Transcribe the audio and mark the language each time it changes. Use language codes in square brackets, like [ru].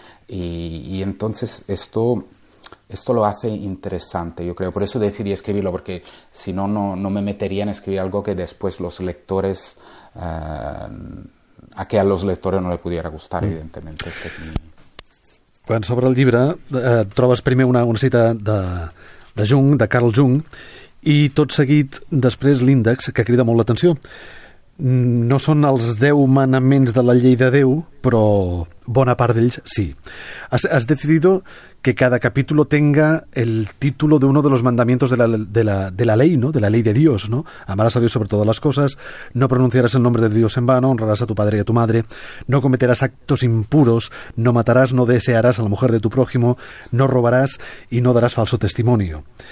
[es] Y entonces esto lo hace interesante, yo creo. Por eso decidí escribirlo, porque si no, no me metería en escribir algo que después los lectores, a que a los lectores no le pudiera gustar, evidentemente. Este es mi. [ca] Quan s'obre el llibre, trobes primer una cita de Jung, de Carl Jung, i tot seguit després l'índex, que crida molt l'atenció. No són els 10 manaments de la llei de Déu, però bona part d'ells sí. [es] Has decidido que cada capítulo tenga el título de uno de los mandamientos de la ley, ¿no? De la ley de Dios, ¿no? Amarás a Dios sobre todas las cosas, no pronunciarás el nombre de Dios en vano, honrarás a tu padre y a tu madre, no cometerás actos impuros, no matarás, no desearás a la mujer de tu prójimo, no robarás y no darás falso testimonio.